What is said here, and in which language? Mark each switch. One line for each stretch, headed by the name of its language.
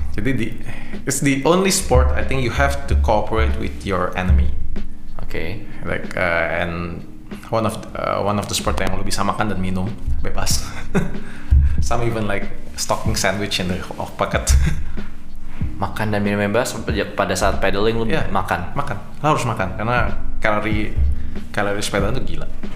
English: Jadi it's the only sport I think you have to cooperate with your enemy. Okay. Like and one of the sport
Indonesian: yang lu bisa makan dan minum bebas.
English: Some even like stocking sandwich in the pocket.
Indonesian: Makan dan minum bebas pada saat pedaling lu, yeah, makan. Makan. Lu harus makan karena kalori sepeda itu gila.